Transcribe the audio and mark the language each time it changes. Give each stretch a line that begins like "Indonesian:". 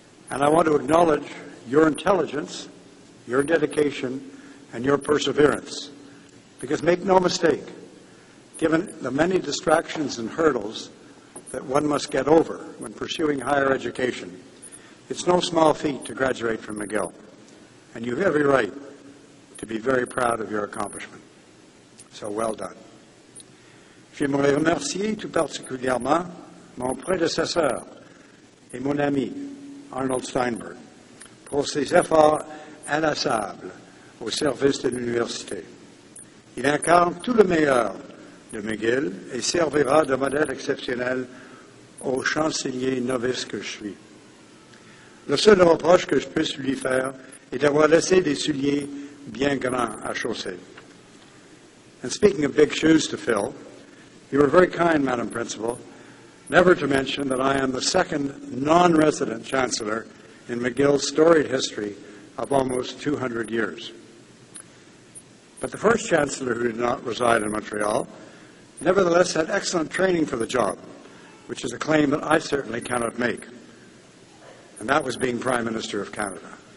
English: And I want to acknowledge your intelligence, your dedication, and your perseverance, because make no mistake, given the many distractions and hurdles that one must get over when pursuing higher education, it's no small feat to graduate from McGill, and you have every right to be very proud of your accomplishment. So well done.
French: Je me remercie tout particulièrement mon prédécesseur et mon ami Arnold Steinberg pour ses efforts inlassables au service de l'université. Il incarne tout le meilleur de McGill et servira de modèle exceptionnel au chancelier novice que je suis. Le seul reproche que je puisse lui faire est d'avoir laissé des souliers bien grands à chausser.
English: And speaking of big shoes to fill, you are very kind, Madam Principal, never to mention that I am the second non-resident chancellor in McGill's storied history of almost 200 years. But the first chancellor, who did not reside in Montreal, nevertheless had excellent training for the job, which is a claim that I certainly cannot make, and that was being Prime Minister of Canada.